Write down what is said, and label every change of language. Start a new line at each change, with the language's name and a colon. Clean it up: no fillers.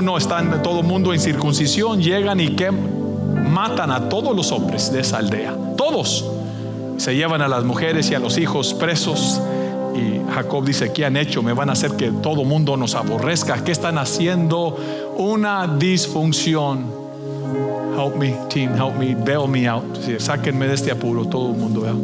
Spanish: No, están todo mundo en circuncisión. Llegan y que matan a todos los hombres de esa aldea. Todos. Se llevan a las mujeres y a los hijos presos. Y Jacob dice, ¿qué han hecho? Me van a hacer que todo mundo nos aborrezca. ¿Qué están haciendo? Una disfunción.
English: Help me, team, help me, bail me out.
Spanish: Sí, sáquenme de este apuro, todo el mundo, ¿verdad?